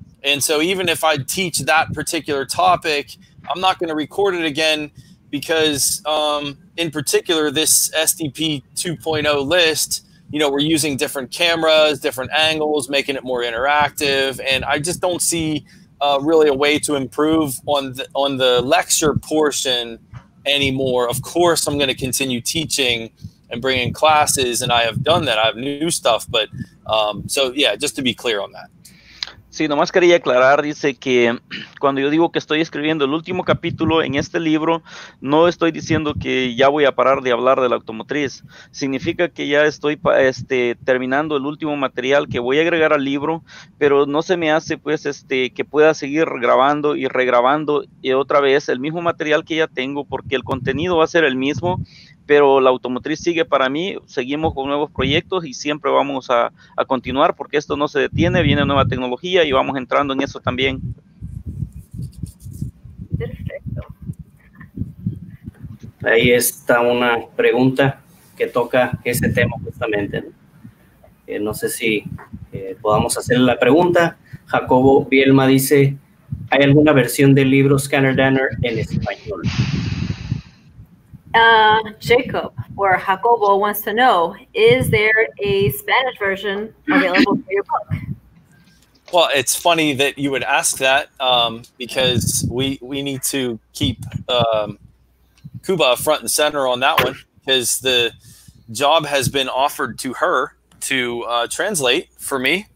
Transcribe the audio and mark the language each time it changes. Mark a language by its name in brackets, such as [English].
[English] And so even if I teach that particular topic, I'm not going to record it again because in particular, this SDP 2.0 list, you know, we're using different cameras, different angles, making it more interactive. And I just don't see really a way to improve on the lecture portion anymore. Of course, I'm going to continue teaching and bringing classes, and I have done that. I have new stuff. But just to be clear on that. [Spanish] Sí, nomás quería aclarar, dice que cuando yo digo que estoy escribiendo el último capítulo en este libro, no estoy diciendo que ya voy a parar de hablar de la automotriz. Significa que ya estoy terminando el último material que voy a agregar al libro, pero no se me hace pues que pueda seguir grabando y regrabando y otra vez el mismo material que ya tengo porque el contenido va a ser el mismo. Pero la automotriz sigue para mí, seguimos con nuevos proyectos y siempre vamos a continuar porque esto no se detiene, viene nueva tecnología y vamos entrando en eso también. Perfecto. Ahí está una pregunta que toca ese tema justamente. No sé si podamos hacer la pregunta. Jacobo Bielma dice, ¿hay alguna versión del libro Scanner Danner en español? [English] Jacob or Jacobo wants to know, is there a Spanish version available for your book? Well, it's funny that you would ask that because we need to keep Cuba front and center on that one because the job has been offered to her to translate for me.